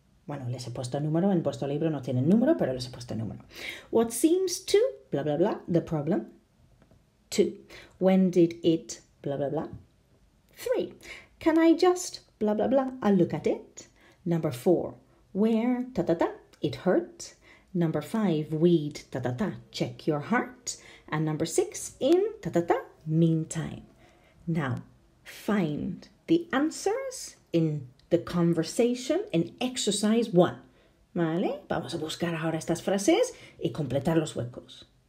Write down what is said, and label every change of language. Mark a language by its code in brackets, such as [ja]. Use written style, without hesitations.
[es] Bueno, les he puesto número, en vuestro libro no tienen número, pero les he puesto número. [en] What seems to, blah, blah, blah, the problem. Two, when did it, blah, blah, blah. Three, can I just, blah, blah, blah, a look at it. Number four, where, ta, ta, ta, it hurt. Number five, weed, ta, ta, ta, check your heart. And number six, in, ta, ta, ta, meantime. Now, find the answers in the conversation in exercise one. [es] ¿Vale? Vamos a buscar ahora estas frases y completar los huecos.